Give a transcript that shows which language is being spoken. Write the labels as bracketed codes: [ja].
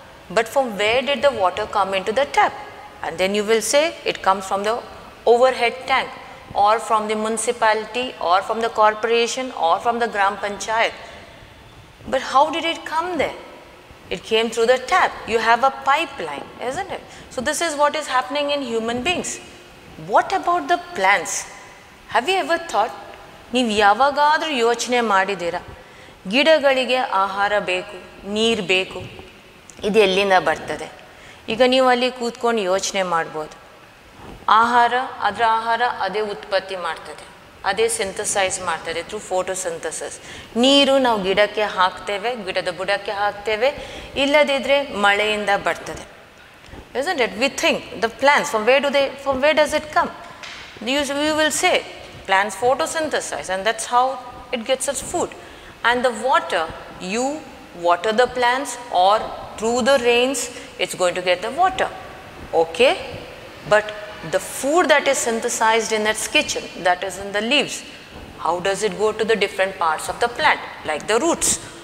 [en] But from where did the water come into the tap? And then you will say, it comes from the overhead tank, or from the municipality, or from the corporation, or from the gram panchayat. But how did it come there? It came through the tap. You have a pipeline, isn't it? So this is what is happening in human beings. What about the plants? Have you ever thought, [kn] ನೀವು ಯಾವಾಗಾದರೂ ಯೋಚನೆ ಮಾಡಿದ್ದೀರಾ, ಗಿಡಗಳಿಗೆ ಆಹಾರ ಬೇಕು, ನೀರು ಬೇಕು, ಇದು ಎಲ್ಲಿಂದ ಬರ್ತದೆ? ಈಗ ನೀವು ಅಲ್ಲಿ ಕೂತ್ಕೊಂಡು ಯೋಚನೆ ಮಾಡ್ಬೋದು. ಆಹಾರ, ಅದರ ಆಹಾರ ಅದೇ ಉತ್ಪತ್ತಿ ಮಾಡ್ತದೆ, ಅದೇ ಸಿಂಥಸೈಸ್ ಮಾಡ್ತದೆ [en] Through photosynthesis. [kn] ನೀರು ನಾವು ಗಿಡಕ್ಕೆ ಹಾಕ್ತೇವೆ, ಗಿಡದ ಬುಡಕ್ಕೆ ಹಾಕ್ತೇವೆ, ಇಲ್ಲದಿದ್ದರೆ ಮಳೆಯಿಂದ ಬರ್ತದೆ. [en] Is it we think the plants from where do they from where does it come? You will say, plants photosynthesize, and that's how it gets its food. And the water, you water the plants, or through the rains, it's going to get the water. Okay, but the food that is synthesized in its kitchen, that is in the leaves, how does it go to the different parts of the plant, like the roots?